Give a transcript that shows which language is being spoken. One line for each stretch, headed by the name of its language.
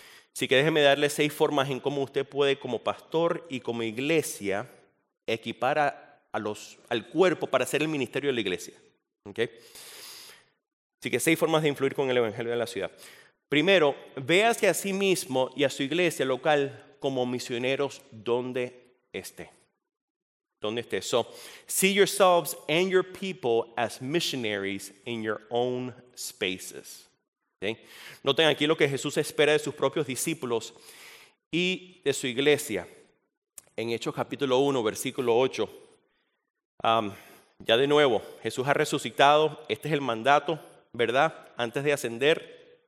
Spanish: Así que déjeme darle 6 formas en cómo usted puede, como pastor y como iglesia, equipar al cuerpo para hacer el ministerio de la iglesia. ¿Okay? Así que 6 formas de influir con el evangelio de la ciudad. Primero, véase a sí mismo y a su iglesia local como misioneros donde esté. Donde esté.
English: So, see yourselves and your people as missionaries in your own spaces.
Spanish: ¿Sí? Noten aquí lo que Jesús espera de sus propios discípulos y de su iglesia. En Hechos capítulo 1, versículo 8. Ya de nuevo, Jesús ha resucitado. Este es el mandato, ¿verdad? Antes de ascender.